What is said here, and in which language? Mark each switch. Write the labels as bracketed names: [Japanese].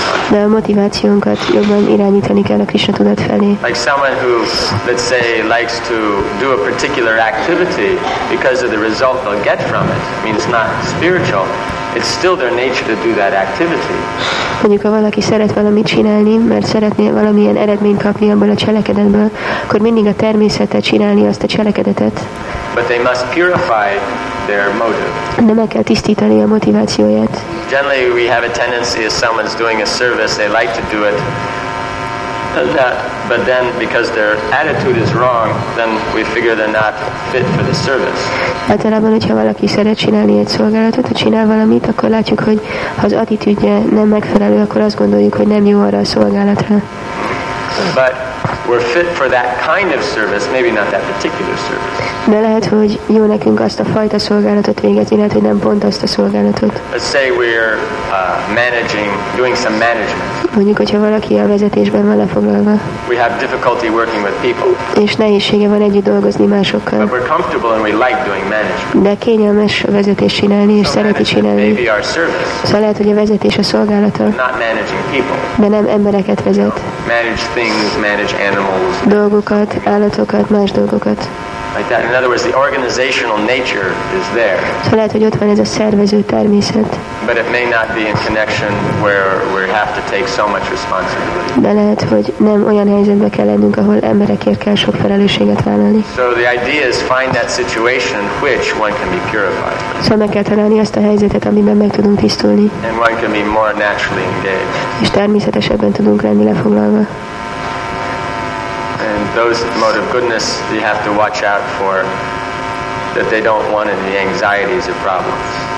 [Hungarian] De a motivációnkat jobban irányítani kell a Krisna tudat felé. [English] Like someone who, let's say, likes to do a particular activity because of the result they'll get from it. I mean, it's not spiritual. It's still their nature to do that activity. [Hungarian] Mondjuk, ha valaki szeret valamit csinálni, mert szeretné valamilyen eredményt kapni abból a cselekedetből, akkor mindig a természete csinálni azt a cselekedetet. [English] But they must purify their motive. [Hungarian] De meg kell tisztítani a motivációját. [English] Generally, we have a tendency if someone's doing a service, they like to do it. But then, because their attitude is wrong, then we figure they're not fit for the service. [Hungarian] Általában, hogyha valaki szeret csinálni egy szolgálatot, ha csinál valamit, akkor látjuk, hogy ha az attitűdje nem megfelelő, akkor azt gondoljuk, hogy nem jó arra a szolgálatra. [English] But we're fit for that kind of service, maybe not that particular service. [Hungarian] De lehet, hogy jó nekünk azt a fajta szolgálatot végezni, lehet, hogy nem pont azt a szolgálatot. [English] Let's say we're managing, doing some management. [Hungarian] Mondjuk, hogyha valaki a vezetésben van lefoglalva. [English] We have difficulty working with people. [Hungarian] És nehézsége van együtt dolgozni másokkal. [English] But we're comfortable and we like doing management. [Hungarian] De kényelmes a vezetés csinálni, és [English] so [Hungarian] szereti csinálni. [English] Maybe our service. [Hungarian] Szóval lehet, hogy a vezetés a szolgálata. [English] Not managing people. [Hungarian] De nem embereket vezet. [English] Manage things, manage animals. [Hungarian] Dolgokat, állatokat, más dolgokat. [English] Like that. In other words, the organizational nature is there. So [Hungarian] lehet, hogy ott van ez a szervező természet. [English] But it may not be in connection where we have to take so much responsibility. [Hungarian] De lehet, hogy nem olyan helyzetben kell lennünk, ahol emberekért kell sok felelősséget vállalni. [English] So the idea is find that situation in which one can be purified. So [Hungarian] meg kell találni azt a helyzetet, amiben meg tudunk tisztulni. [English] And one can be more naturally engaged. [Hungarian] És természetesebben tudunk lenni lefoglalva. [English] Those mode of goodness you have to watch out for that they don't want any anxieties or problems.